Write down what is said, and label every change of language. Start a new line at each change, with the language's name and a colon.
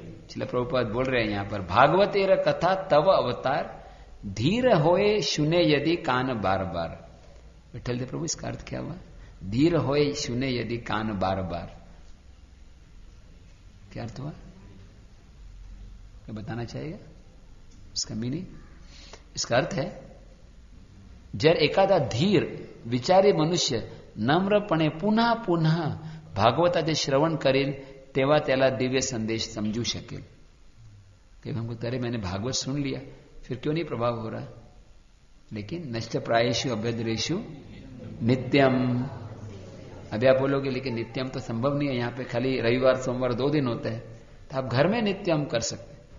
Hindi: श्रील प्रभुपाद बोल रहे हैं यहां पर,
Bangla: भागवत एर कथा तव अवतार धीर होए सुने यदि कान बार बार.
Hindi: विठल देव प्रभु इसका अर्थ क्या हुआ?
Bangla: धीर होए सुने यदि कान बार बार,
Hindi: क्या अर्थ हुआ क्या बताना चाहेगा इसका मीनिंग?
Marathi: इसका अर्थ है जर एकादा धीर विचारी मनुष्य नम्रपणे पुनः पुनः भागवताचे श्रवण करेल तेव्हा त्याला दिव्य संदेश समजू शकेल.
Hindi: हम बोलते अरे मैंने भागवत सुन लिया फिर क्यों नहीं प्रभाव हो रहा? लेकिन
Sanskrit: नष्ट प्रायेषु अभ्यद्रेषु नित्यम.
Hindi: अभी आप बोलोगे लेकिन नित्यम तो संभव नहीं है, यहाँ पे खाली रविवार सोमवार दो दिन होता है, तो आप घर में नित्यम कर सकते.